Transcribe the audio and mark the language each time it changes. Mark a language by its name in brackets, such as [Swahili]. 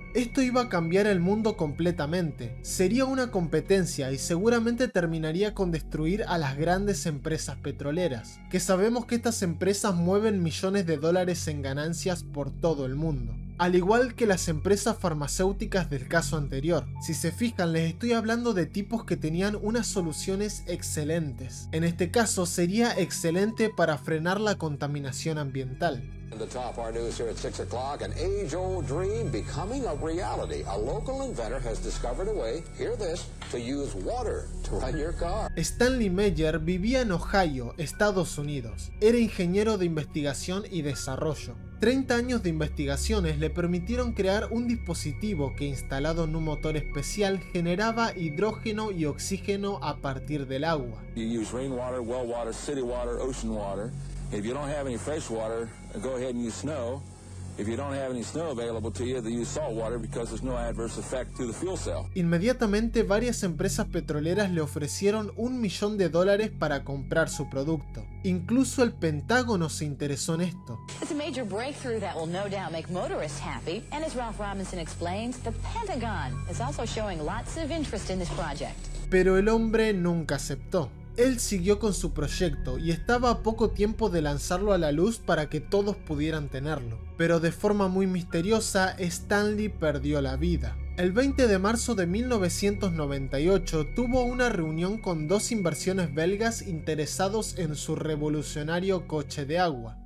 [Spanish] Esto iba a cambiar el mundo completamente. Sería una competencia y seguramente terminaría con destruir a las grandes empresas petroleras, que sabemos que estas empresas mueven millones de dólares en ganancias por todo el mundo. Al igual que las empresas farmacéuticas del caso anterior. Si se fijan, les estoy hablando de tipos que tenían unas soluciones excelentes. En este caso, sería excelente para frenar la contaminación ambiental. [English] The top our news here at 6 o'clock, an age-old dream becoming a reality. A local inventor has discovered a way, hear this, to use water to run your car. [Spanish] Stanley Meyer vivía en Ohio, Estados Unidos. Era ingeniero de investigación y desarrollo. 30 años de investigaciones le permitieron crear un dispositivo que, instalado en un motor especial, generaba hidrógeno y oxígeno a partir del agua. [English] You use rainwater, well water, city water, ocean water. If you don't have any fresh water, go ahead and use snow. If you don't have any snow available to you, then use salt water because there's no adverse effect to the fuel cell. [Spanish] Inmediatamente, varias empresas petroleras le ofrecieron $1,000,000 para comprar su producto. Incluso el Pentágono se interesó en esto. [English] It's a major breakthrough that will no doubt make motorists happy. And as Ralph Robinson explains, the Pentagon is also showing lots of interest in this project. [Spanish] Pero el hombre nunca aceptó. Él siguió con su proyecto y estaba a poco tiempo de lanzarlo a la luz para que todos pudieran tenerlo. Pero de forma muy misteriosa, Stanley perdió la vida. El 20 de marzo de 1998 tuvo una reunión con 2 inversiones belgas interesados en su revolucionario coche de agua.